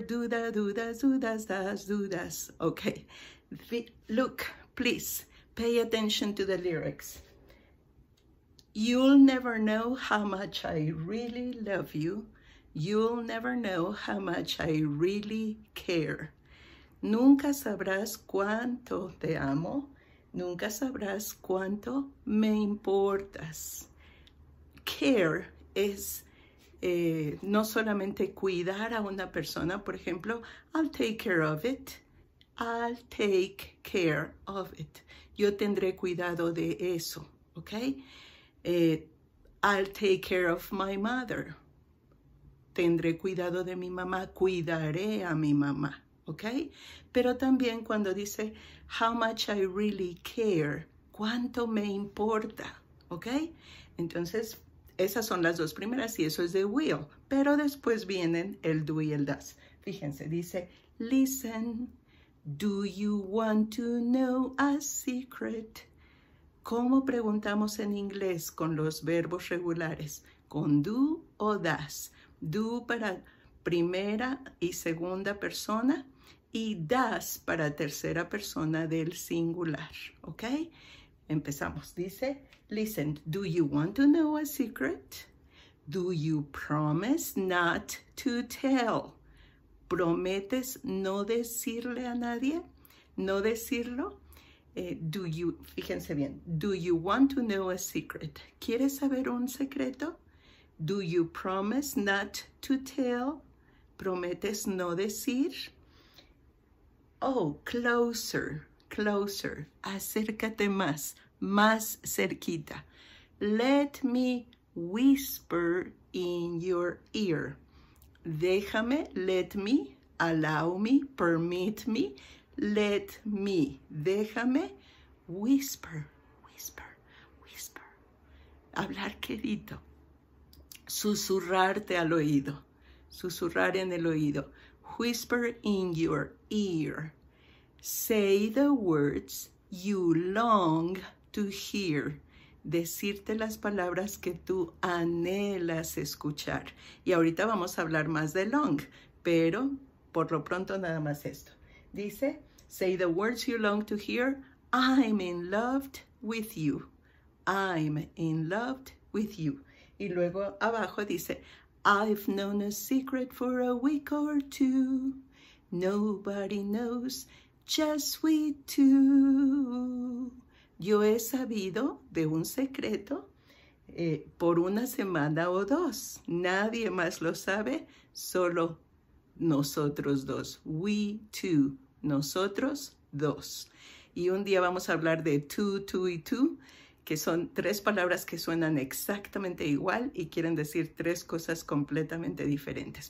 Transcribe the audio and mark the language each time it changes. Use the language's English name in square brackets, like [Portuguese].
[English] Do da, do da, do das, das, do das. Okay. Look, please pay attention to the lyrics. You'll never know how much I really love you. You'll never know how much I really care. [Spanish] Nunca sabrás cuánto te amo. Nunca sabrás cuánto me importas. Care is no solamente cuidar a una persona, por ejemplo, [English] I'll take care of it. I'll take care of it. [Spanish] Yo tendré cuidado de eso, [English] okay? I'll take care of my mother. [Spanish] Tendré cuidado de mi mamá. Cuidaré a mi mamá, okay? Pero también cuando dice [English] how much I really care, [Spanish] cuánto me importa, okay? Entonces, esas son las dos primeras y eso es de will. Pero después vienen el do y el does. Fíjense, dice, [English] listen, do you want to know a secret? [Spanish] ¿Cómo preguntamos en inglés con los verbos regulares? ¿Con do o does? Do para primera y segunda persona y does para tercera persona del singular. ¿Ok? Empezamos. [English] Dice, listen, do you want to know a secret? Do you promise not to tell? [Spanish] ¿Prometes no decirle a nadie? ¿No decirlo? [English] Do you, [Spanish] fíjense bien, [English] do you want to know a secret? [Spanish] ¿Quieres saber un secreto? [English] Do you promise not to tell? [Spanish] ¿Prometes no decir? [English] Oh, closer, closer, [Spanish] acércate más. Más cerquita. [English] Let me whisper in your ear. Déjame, let me, allow me, permit me, let me. Déjame whisper, whisper, whisper. [Spanish] Hablar quedito. Susurrarte al oído. Susurrar en el oído. [English] Whisper in your ear. Say the words you long to hear, [Spanish] decirte las palabras que tú anhelas escuchar. Y ahorita vamos a hablar más de long, pero por lo pronto nada más esto. [English] Dice, say the words you long to hear, I'm in love with you. I'm in love with you. [Spanish] Y luego abajo dice, [English] I've known a secret for a week or two. Nobody knows, just we two. [Spanish] Yo he sabido de un secreto por una semana o dos. Nadie más lo sabe, solo nosotros dos. [English] We two, [Spanish] nosotros dos. Y un día vamos a hablar de two, two y two, que son tres palabras que suenan exactamente igual y quieren decir tres cosas completamente diferentes.